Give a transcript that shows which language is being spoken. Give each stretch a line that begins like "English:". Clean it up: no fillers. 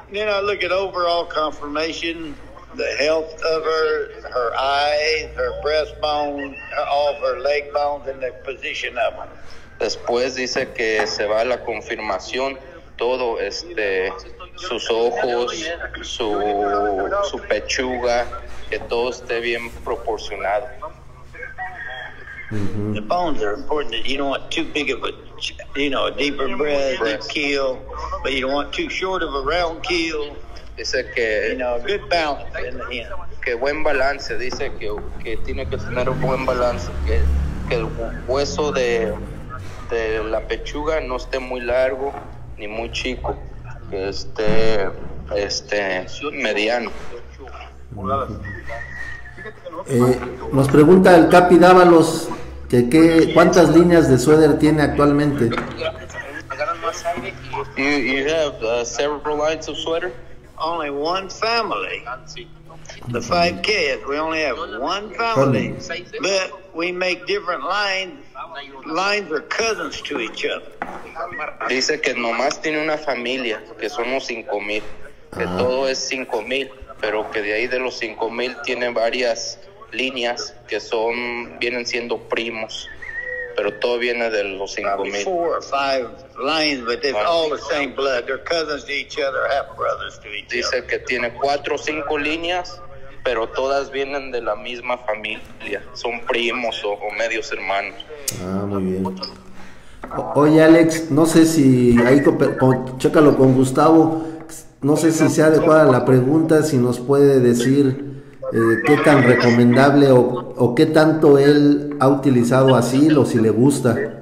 English: Then I look at overall confirmation, the health of her eye, her breastbone, all of her leg bones, and the position of them.
Spanish: Después dice que se va a la confirmación, todo, sus ojos, su pechuga, que todo esté bien proporcionado.
English: Mm-hmm. The bones are important. You don't want too big of a, a deeper breast, deep keel, but you don't want too short of a round keel.
Spanish: Dice que,
English: a good balance in the hen.
Spanish: Que buen balance, dice que tiene que tener un buen balance, que el hueso de la pechuga no esté muy largo ni muy chico, que esté mediano. Nos pregunta el Capi Dávalos que cuántas líneas de suéter tiene actualmente.
English: You have several lines of sweater? Only one family. The 5Ks, we only have one family. But we make different lines. Lines are cousins to each other.
Spanish: Dice que nomás tiene una familia, que somos 5,000. Que todo es 5,000, pero que de ahí de los 5,000 tiene varias líneas que son, vienen siendo primos, pero todo viene de los 5,000.
English: Four or five lines, but they're all the same blood. They're cousins to each other, half brothers to each other.
Spanish: Dice que tiene 4 o 5 líneas, pero todas vienen de la misma familia. Son primos o medios hermanos. Ah, muy bien. Oye, Alex, no sé si ahí chécalo con Gustavo. No sé si sea adecuada la pregunta, si nos puede decir qué tan recomendable o qué tanto él ha utilizado así, o si le gusta.